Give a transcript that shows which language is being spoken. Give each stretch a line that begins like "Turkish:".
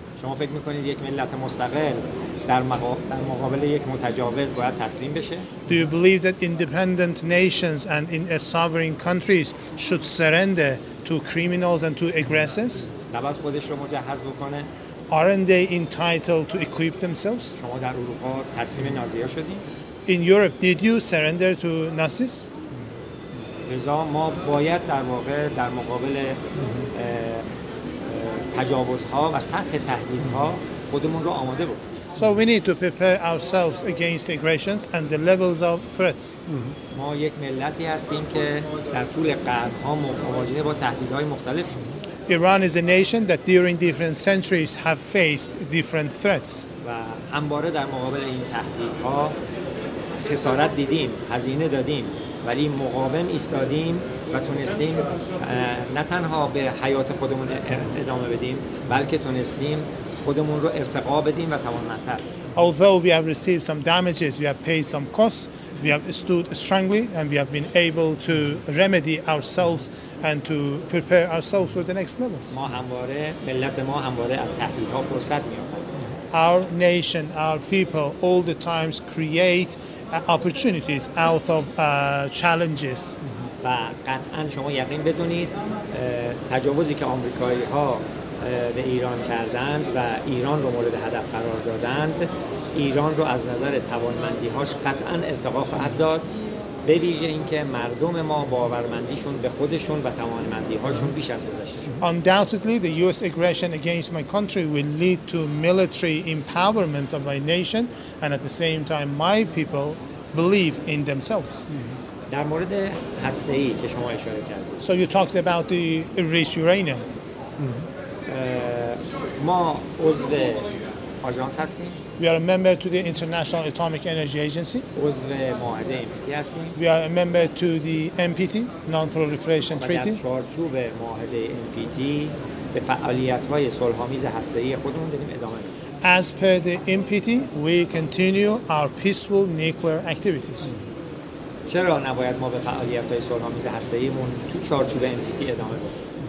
Persian: شما فکر میکنید یک ملت مستقل در مقابل یک متجاوز باید تسلیم بشه؟
English: Do you believe that independent nations and in a sovereign countries should surrender to criminals and to aggressors?
Persian: نباید خودش رو مجهز بکنه؟
English: Aren't they entitled to equip themselves?
Persian: شما در اروپا تسلیم نازی ها شدید؟
English: In Europe, did you surrender to Nazis?
Persian: رضا ما باید در واقع در مقابل تجاوزها و سطح تهدیدها خودمون رو آماده بود.
English: So we need to prepare ourselves against aggressions and the levels of threats.
Persian: ما یک ملتی هستیم که در طول قرن‌ها مواجه با تهدیدهای مختلف شد.
English: Iran is a nation that during different centuries have faced different threats.
Persian: و همواره در مقابل این تهدیدها خسارت دیدیم، هزینه دادیم، ولی مقاوم ایستادیم و تونستیم نه تنها به حیات خودمون ادامه بدیم، بلکه تونستیم خودمون رو ارتقا بدیم و توانمندتر.
English: Although we have received some damages, we have paid some costs, we have stood strongly and we have been able to remedy ourselves and to prepare ourselves for the next levels.
Persian: ما همواره، ملت ما همواره از تهدیدها فرصت می‌یابد.
English: Our nation, our people, all the times create opportunities out of challenges.
Persian: و قطعا شما یقین بدونید تجاوزی که آمریکایی‌ها به ایران کردند و ایران رو مورد هدف قرار دادند، ایران رو از نظر توانمندی‌هاش قطعا ارتقا خواهد داد، به ویژه اینکه مردم ما باورمندیشون به خودشون و توانمندی‌هاشون بیش از گذشته.
English: Undoubtedly the US aggression against my country will lead to military empowerment of my nation and at the same time my people believe in themselves.
Persian: در مورد هسته‌ای که شما اشاره کردید.
English: So you talked about the enriched uranium.
Persian: ما عضو آژانس هستیم.
English: We are a member to the International Atomic Energy Agency.
Persian: عضو معاهده NPT هستیم.
English: We are a member to the NPT, Non-Proliferation Treaty.
Persian: در چارچوب معاهده NPT به فعالیت‌های صلح‌آمیز هسته‌ای خودمون داریم ادامه می‌دیم.
English: As per the NPT, we continue our peaceful nuclear activities.
Persian: چرا نباید ما به فعالیت‌های صلح‌آمیز هسته‌ایمون تو چارچوب NPT ادامه بدیم؟